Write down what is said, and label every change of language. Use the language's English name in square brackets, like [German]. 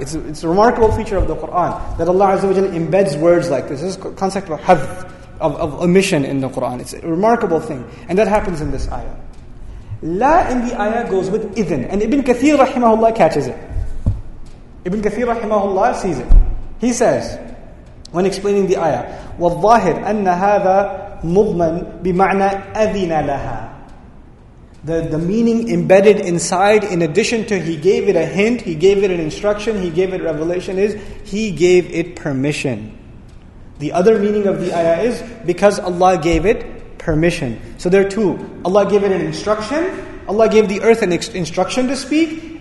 [English] It's a remarkable feature of the Qur'an that Allah Azza wa Jalla embeds words like this. This is a concept of hadd, of omission in the Qur'an. It's a remarkable thing. And that happens in this ayah. La in the ayah goes with idhn. And Ibn Kathir rahimahullah catches it. Ibn Kathir rahimahullah sees it. He says, when explaining the ayah, [Arabic] وَالظَّاهِرْ أَنَّ هَذَا مُضْمَنْ بِمَعْنَى أَذِنَ لَهَا. [English] The meaning embedded inside, in addition to he gave it a hint, he gave it an instruction, he gave it revelation, is he gave it permission. The other meaning of the ayah is because Allah gave it permission. So there are two. Allah gave it an instruction. Allah gave the earth an instruction to speak.